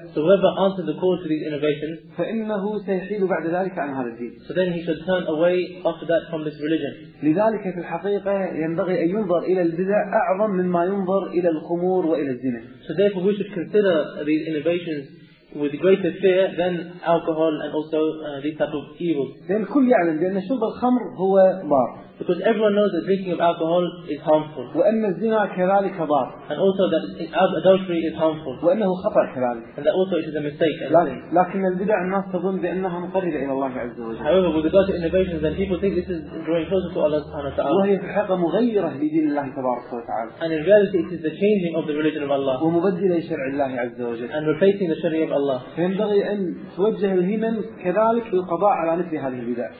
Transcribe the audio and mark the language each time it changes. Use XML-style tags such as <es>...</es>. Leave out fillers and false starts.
<en>so whoever answered the call to these innovations,</en> <ar>فإنه سيحيد بعد ذلك عن هذا الدين.</ar> <en>So then he should turn away after that from this religion.</en> <ar>لذلك في الحقيقة ينبغي أن ينظر إلى البدع أعظم مما ينظر إلى الخمور وإلى الزنا.</ar> <en>So therefore we should consider these innovations with greater fear than alcohol and also these type of evils.</en> <ar>لأن كل يعلم بأن شرب الخمر هو ضار.</ar> <en>Because everyone knows that drinking of alcohol is harmful.</en> <ar>وأن الزنا كذلك ضار.</ar> <en>And also that adultery is harmful.</en> <ar>وأنه خطر كذلك.</ar> <en>And that also it is a mistake.</en> <ar>لكن البدع الناس تظن بأنها مقربة إلى الله عز وجل.</ar> <en>However, with regard to innovations, then people think this is drawing closer to Allah</en> <ar>سبحانه وتعالى. وهي في الحقيقة مغيرة لدين الله تبارك وتعالى.</ar> <en>And in reality, it is the changing of the religion of Allah.</en> <ar>ومبدلة لشرع الله عز وجل.</ar> <en>And replacing the Sharia of Allah.</en> <ar>فينبغي أن توجه الهمم كذلك للقضاء على مثل هذه البدع.</ar>